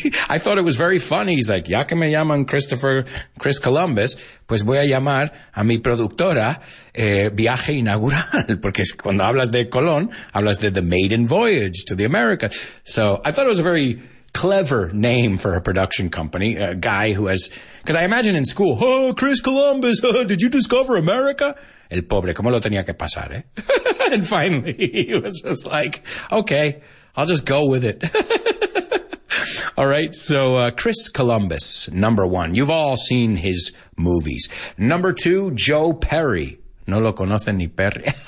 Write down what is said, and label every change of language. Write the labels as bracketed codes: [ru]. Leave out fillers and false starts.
[en] I thought it was very funny. He's like, [es] ya que me llaman Chris Columbus, pues voy a llamar a mi productora Viaje Inaugural, porque cuando hablas de Colón, hablas de [en] the maiden voyage to the Americas. So I thought it was a very clever name for a production company, a guy who has, because I imagine in school, oh, Chris Columbus, did you discover America? [es] El pobre, ¿cómo lo tenía que pasar, eh? [en] And finally, he was just like, okay, I'll just go with it. All right, so Chris Columbus, number one. You've all seen his movies. Number two, Joe Perry. [es] No lo conocen ni Perry.